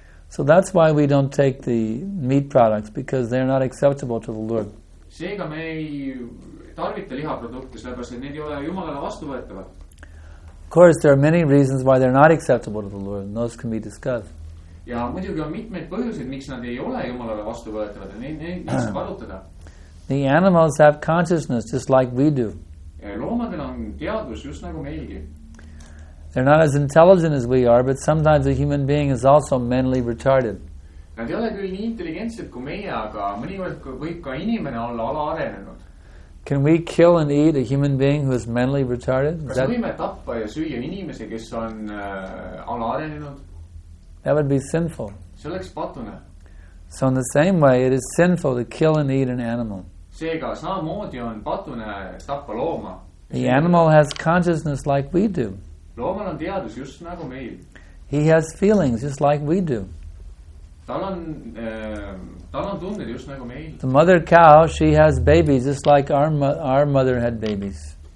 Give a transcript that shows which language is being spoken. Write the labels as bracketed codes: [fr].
[en] So that's why we don't take the meat products, because they're not acceptable to the Lord. [et] Seega me ei tarvita lihaprodukte, sellepärast et need ei ole Jumalale vastuvõetavad. [en] Of course, there are many reasons why they're not acceptable to the Lord, and those can be discussed. [et] Ja muidugi on mitmeid põhjuseid, miks nad ei ole Jumalale vastuvõetavad, ja neid saab arutada. [en] The animals have consciousness, just like we do. [et] Ja loomadel on teadvus, just nagu meilgi. [en] They're not as intelligent as we are, but sometimes a human being is also mentally retarded. [et] Nad ei ole küll nii intelligentsed kui meie, aga mõnikord võib ka inimene olla ala arenenud. [en] Can we kill and eat a human being who is mentally retarded? [et] Kas võime tappa ja süüa inimese, kes on ala arenenud? [en] That would be sinful. [et] See oleks patune. [en] So in the same way, it is sinful to kill and eat an animal. [et] Seega samamoodi on patune tappa looma. [en] The animal has consciousness like we do. [et] Loomal on teadus just nagu meil. [en] He has feelings just like we do. The mother cow, she has babies, just like our mother had babies.